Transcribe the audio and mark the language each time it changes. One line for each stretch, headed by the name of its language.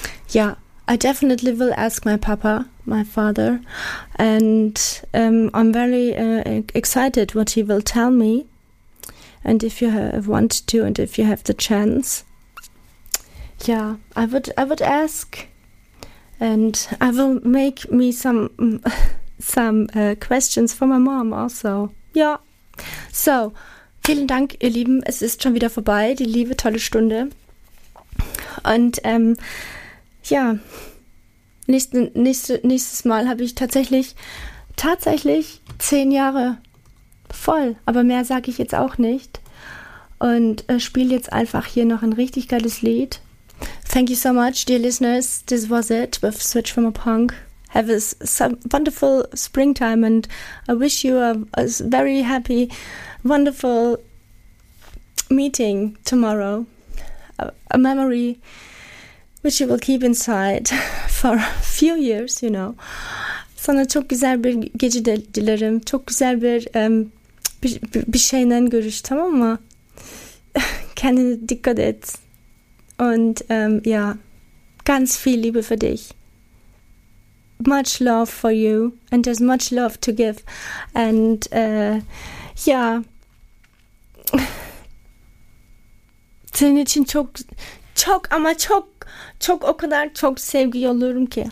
English: Yeah, I definitely will ask my papa, my father, and I'm very excited what he will tell me. And if you want to, and if you have the chance, yeah, I would ask, and I will make me some questions for my mom also.
German: Ja, so, vielen Dank, ihr Lieben. Es ist schon wieder vorbei, die liebe, tolle Stunde. Und ja, nächstes Mal habe ich tatsächlich 10 Jahre voll. Aber mehr sage ich jetzt auch nicht. Und spiele jetzt einfach hier noch ein richtig geiles Lied.
English: Thank you so much, dear listeners. This was it with Switch from a Punk. Have a wonderful springtime and I wish you a very happy, wonderful meeting tomorrow. A memory which you will keep inside for a few years, you know.
Turkish: Sana çok güzel bir gece dilerim. Çok güzel bir şeyden görüş, tamam mı? Kendine dikkat et.
German: Und ja, ganz viel Liebe für dich.
English: Much love for you, and there's much love to give, and yeah.
Turkish: Senin için çok çok ama çok çok o kadar çok sevgi yolluyorum ki.